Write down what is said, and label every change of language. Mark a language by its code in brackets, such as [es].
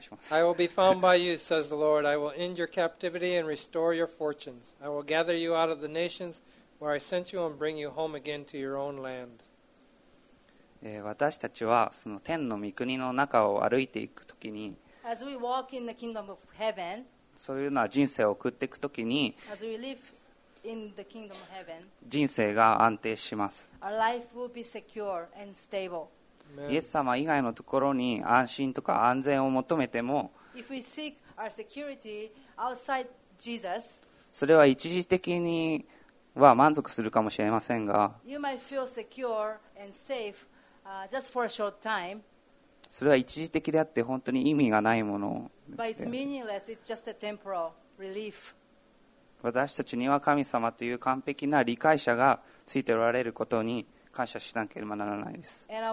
[en] I will be found by you, says the Lord. I will end your captivity and restore your fortunes. I will gather you out of the nations where I sent you and bring you home again to your own land. [ja] 私たちはその天の御国の中を歩いていくときに、 [en] As we walk in the kingdom of heaven, [ja] そういうような人生を送っていくときに、 [en] As we live in the kingdom of heaven, [ja] 人生が安定します。 [en] Our life will be secure and stable. [ja] イエス様以外のところに安心とか安全を求めても、 [en] If we seek our security outside Jesus, [ja] それは一時的には満足するかもしれませんが、 [en] You might feel secure and safe, just for a short time. [ja] それは一時的であって本当に意味がないもの。 [en] But it's meaningless, it's just a temporal relief. [ja] 私たちには神様という完璧な理解者がついておられることに感謝しなければならないです。